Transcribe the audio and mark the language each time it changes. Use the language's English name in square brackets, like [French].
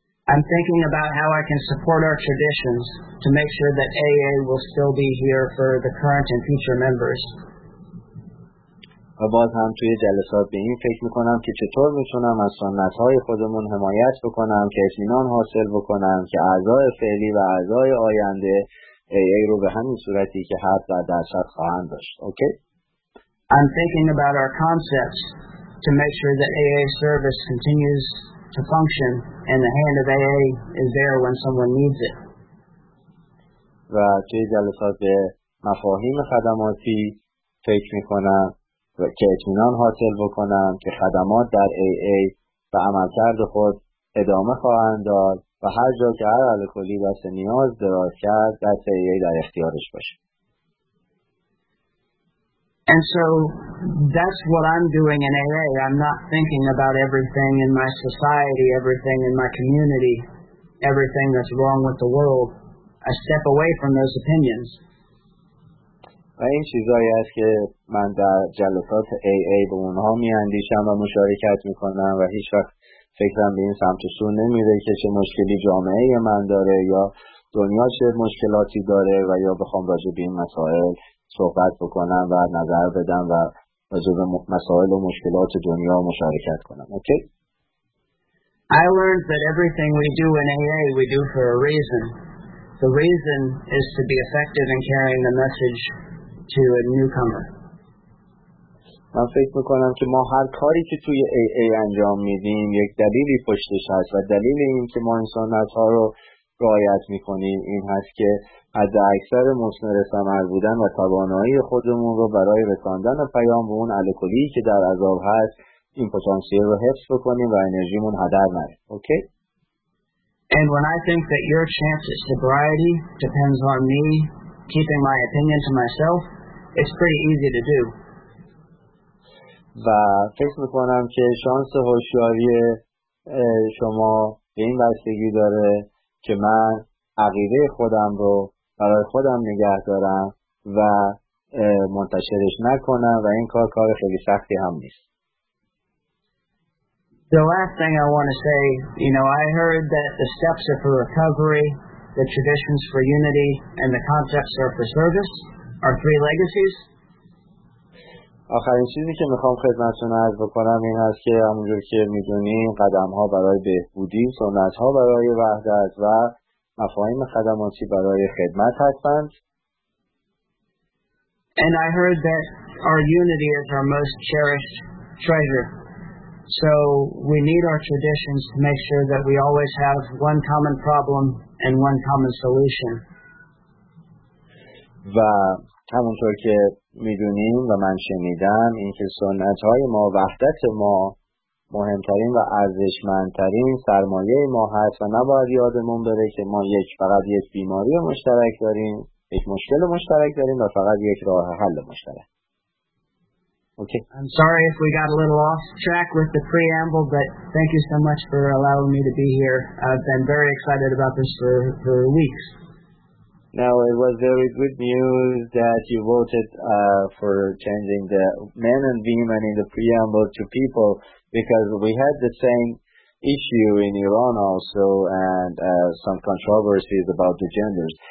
[English] I'm thinking about how I can support our traditions to make sure that AA will still be here for the current and future members. [Persian] و باز هم توی جلسات به این فکر میکنم که چطور میتونم از سنت‌های خودمون حمایت بکنم که اطمینان حاصل بکنم که اعضای فعلی و اعضای آینده AA رو به همین صورتی که هست و درصد خواهند داشت. [English] Okay? I'm thinking about our concepts to make sure that AA service continues to function and the hand of AA is there when someone needs it. [Persian] و توی جلسات به مفاهیم خدماتی فکر میکنم و که اطمینان حاصل بکنم که خدمات در AA به عملکرد خود ادامه خواهند داد و هر جا که هر الکلی دست نیاز دراز کرد دست AA در اختیارش باشه. [English] And so that's what I'm doing in AA. I'm not thinking about everything in my society, everything in my community, everything that's wrong with the world. I step away from those opinions. [Persian] و این چیزایی هست که من در جلسات AA به اونها میاندیشم و مشارکت میکنم و هیچ وقت فکرم به این سمت و سو نمیره که چه مشکلی جامعه من داره یا دنیا چه مشکلاتی داره و یا بخوام راجع به این مسائل صحبت بکنم و نظر بدم و راجع به مسائل و مشکلات دنیا مشارکت کنم. [English] Okay? I learned that everything we do in AA we do for a reason. The reason is to be effective in carrying the message to a newcomer. [Persian] من فکر میکنم که ما هر کاری که توی AA انجام میدیم یک دلیلی پشتش هست و دلیل این که ما انسانت ها رو رعایت میکنیم این هست که حد اکثر مسمر ثمر بودن و توانایی خودمون رو برای رساندن پیام به اون الکلی که در عذاب هست این پتانسیل رو حفظ بکنیم و انرژیمون هدر نره. [English] Okay? And when I think that your chance at sobriety depends on me keeping my opinion to myself, it's pretty easy to do. [Persian] و فکر میکنم که شانس هوشیاری شما به این بستگی داره که من عقیده خودم رو برای خودم نگه دارم و منتشرش نکنم و این کار خیلی سختی هم نیست. [English] The last thing I want to say, you know, I heard that the steps are for recovery, the traditions for unity and the concepts are for service, our three legacies. [Persian] آخرین چیزی که میخوام خدمتتون عرض بکنم این هست که همونجور که میدونیم قدم‌ها برای بهبودی، سنت‌ها برای وحدت و مفاهیم خدماتی برای خدمت هستند. [English] And I heard that our unity is our most cherished treasure. So we need our traditions to make sure that we always have one common problem and one common solution. [Persian] و همونطور که میدونیم و من شنیدم این که سنت های ما وحدت ما مهمترین و ارزشمندترین سرمایه ما هست و نباید یادمون بره که ما فقط یک بیماری مشترک داریم، یک مشکل مشترک داریم و فقط یک راه حل مشترک. [English] Okay. I'm sorry if we got a little off track with the preamble, but thank you so much for allowing me to be here. I've been very excited about this for weeks. Now, it was very good news that you voted for changing the men and women in the preamble to people, because we had the same issue in Iran also, and some controversies about the genders.